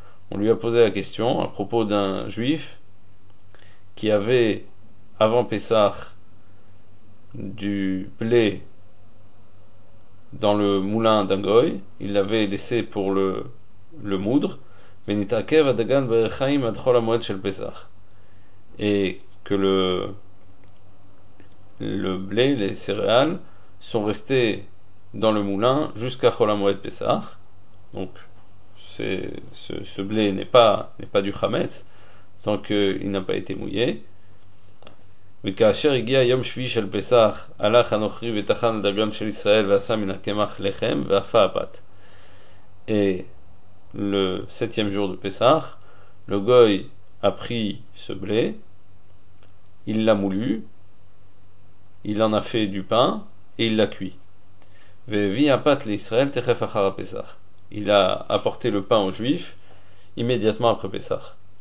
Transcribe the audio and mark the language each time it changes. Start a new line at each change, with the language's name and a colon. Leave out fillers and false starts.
French: On lui a posé la question à propos d'un juif qui avait avant Pessah du blé dans le moulin d'un goy, il l'avait laissé pour le moudre,
Hebrew: benitakev adagan berechaim adchol amoed shel Pessah,
French: et que le blé, les céréales sont restés dans le moulin jusqu'à chol amoed Pessah, donc ce blé n'est pas du Chametz tant qu'il n'a pas été mouillé.
Hebrew: וכאשר הגיע יום שביעי של פסח, הלך הנוכרי וטחן הדגן של ישראל ועשה מן הקמח לחם ואפה הפת.
French: Et le septième jour de Pessah, le goy a pris ce blé, il l'a moulu, il en a fait du pain et il l'a cuit.
Hebrew: Vevi apat l'Israël techef achar Pessah.
French: Il a apporté le pain aux Juifs immédiatement après Pessah.